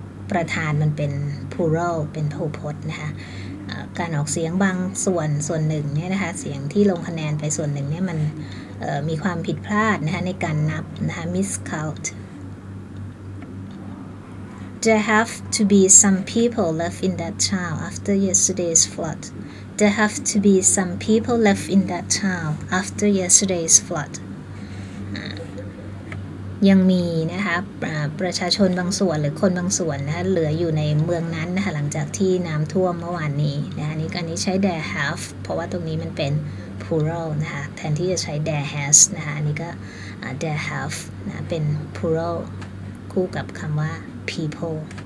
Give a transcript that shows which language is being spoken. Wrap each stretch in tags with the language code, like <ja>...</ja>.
<th>ประธานมันเป็น plural เป็นพหูพจน์นะคะการออกเสียงบางส่วนหนึ่งเนี่ยนะคะเสียงที่ลงคะแนนไปส่วนหนึ่งเนี่ยมันมีความผิดพลาดนะคะในการนับนะคะ miscount</th> <en>there have to be some people left in that town after yesterday's flood there have to be some people left in that town after yesterday's flood.</en> <th>ยังมีนะคะประชาชนบางส่วนหรือคนบางส่วนนะเหลืออยู่ในเมืองนั้นนะคะหลังจากที่น้ำท่วมเมื่อวานนี้นะคะอันนี้ใช้ there have เพราะว่าตรงนี้มันเป็น plural นะคะแทนที่จะใช้ there has นะคะอันนี้ก็ there have นะเป็น plural คู่กับคำว่า people</th>